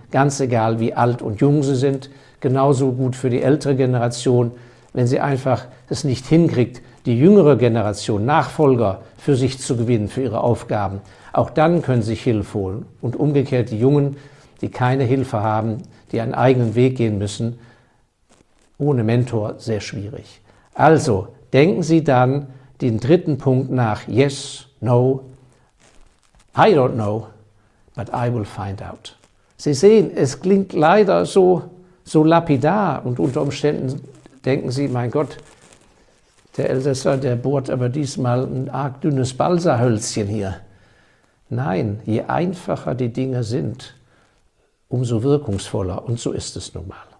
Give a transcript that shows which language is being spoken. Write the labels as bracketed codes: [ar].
[de] Ganz egal, wie alt und jung Sie sind, genauso gut für die ältere Generation, wenn sie einfach es nicht hinkriegt, die jüngere Generation, Nachfolger für sich zu gewinnen, für ihre Aufgaben. Auch dann können sie sich Hilfe holen. Und umgekehrt die Jungen, die keine Hilfe haben, die einen eigenen Weg gehen müssen, ohne Mentor sehr schwierig. Also denken Sie dann den dritten Punkt nach. [en] Yes, no, I don't know, but I will find out. [de] Sie sehen, es klingt leider so lapidar und unter Umständen denken Sie, mein Gott, der Elsässer, der bohrt aber diesmal ein arg dünnes Balsahölzchen hier. Nein, je einfacher die Dinge sind, umso wirkungsvoller. Und so ist es nun mal.